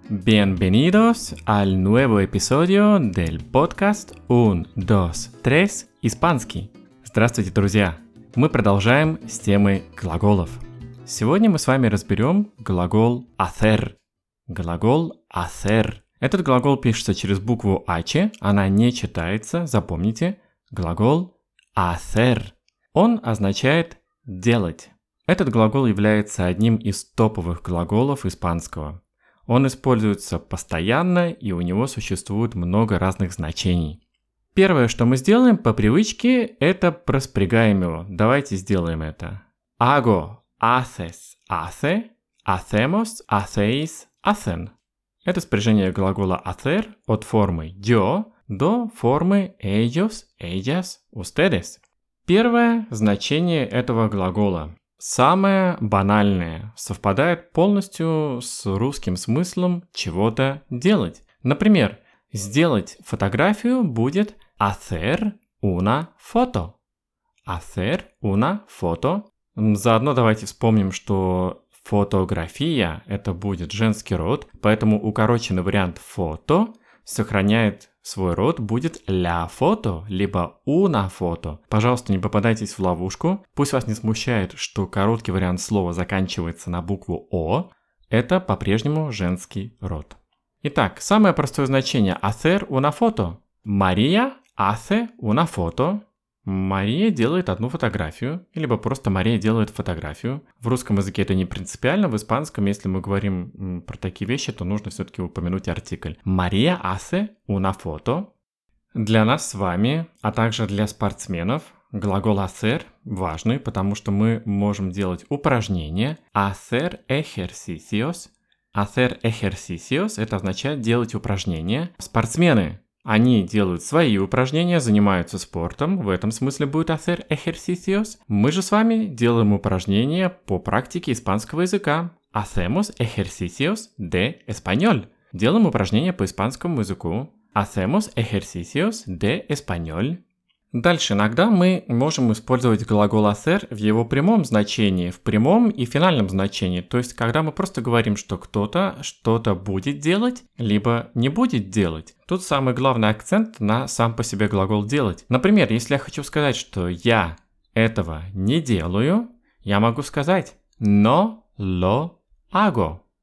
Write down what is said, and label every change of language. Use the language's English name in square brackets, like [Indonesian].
[Spanish] Bienvenidos al nuevo episodio del podcast 1, 2, 3, испанский. [Russian] Здравствуйте, друзья. Мы продолжаем с темы глаголов. Сегодня мы с вами разберем глагол hacer. Глагол hacer. Этот глагол пишется через букву H, она не читается, запомните. Глагол hacer. Он означает делать. Этот глагол является одним из топовых глаголов испанского. Он используется постоянно, и у него существует много разных значений. Первое, что мы сделаем по привычке, это проспрягаем его. Давайте сделаем это. [Spanish] Hago, haces, hace, hacemos, hacéis, hacen. [Russian] Это спряжение глагола hacer от формы yo до формы ellos, ellas, ustedes. Первое значение этого глагола. Самое банальное совпадает полностью с русским смыслом чего-то делать. Например, сделать фотографию будет [Spanish] hacer una foto. Hacer una foto. [Russian] Заодно давайте вспомним, что фотография – это будет женский род, поэтому укороченный вариант foto сохраняет свой род, будет [Spanish] la foto, [Russian] либо [Spanish] una foto. [Russian] Пожалуйста, не попадайтесь в ловушку. Пусть вас не смущает, что короткий вариант слова заканчивается на букву O. Это по-прежнему женский род. Итак, самое простое значение [Spanish] hacer una foto. Мария hace una foto. [Russian] Мария делает одну фотографию, либо просто Мария делает фотографию. В русском языке это не принципиально, в испанском, если мы говорим про такие вещи, то нужно все-таки упомянуть артикль. [Spanish] Мария hace una foto. [Russian] Для нас с вами, а также для спортсменов, глагол hacer важный, потому что мы можем делать упражнения. [Spanish] Hacer ejercicios. Hacer ejercicios, [Russian] это означает делать упражнения. Спортсмены. Они делают свои упражнения, занимаются спортом. В этом смысле будет [Spanish] hacer ejercicios. [Russian] Мы же с вами делаем упражнения по практике испанского языка. [Spanish] Hacemos ejercicios de español. [Russian] Делаем упражнения по испанскому языку. [Spanish] Hacemos ejercicios de español. [Russian] Дальше, иногда мы можем использовать глагол hacer в его прямом значении, в прямом и финальном значении, то есть когда мы просто говорим, что кто-то что-то будет делать, либо не будет делать. Тут самый главный акцент на сам по себе глагол делать. Например, если я хочу сказать, что я этого не делаю, я могу сказать [Spanish] no lo hago.